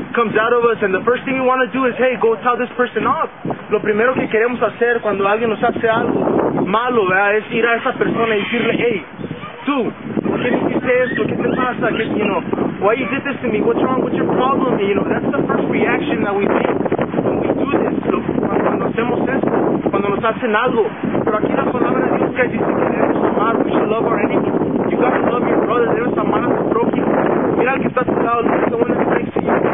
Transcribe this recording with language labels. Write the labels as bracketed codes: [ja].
[en] Comes out of us, and the first thing you want to do is, hey, go tell this person off. [es] Lo primero que queremos hacer cuando alguien nos hace algo malo, ¿verdad? Es ir a esa persona y decirle, hey, tú, ¿por qué hiciste esto? ¿Qué te pasa? [en] ¿Qué, you know, why you did this to me? What's wrong? What's your problem? You know, that's the first reaction that we make when we do this. [es] Cuando hacemos esto, cuando nos hacen algo. Pero aquí la palabra de Dios que dice que debemos amar, [en] we should love our enemies. You gotta love your brother, [es] debes amar a tu prójimo. Mira al que está a tu lado, [en] look at the one that's next to you.